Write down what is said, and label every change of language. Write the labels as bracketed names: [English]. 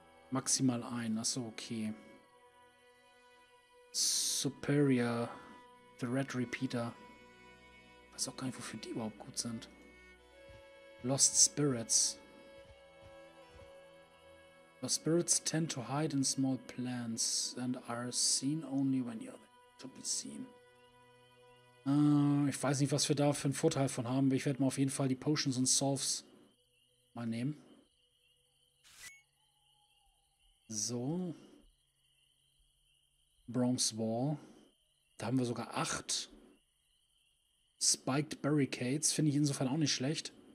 [German] Maximal ein. Achso, okay. Superior. The Red Repeater. Weiß auch gar nicht, wofür die überhaupt gut sind. [English] Lost Spirits. The spirits tend to hide in small plants and are seen only when you're to be seen. [German] Ich weiß nicht, was wir da für einen Vorteil von haben, aber ich werde mal auf jeden Fall die Potions und Salves mal nehmen. So. Bronze Wall. Da haben wir sogar 8. Spiked Barricades finde ich insofern auch nicht schlecht.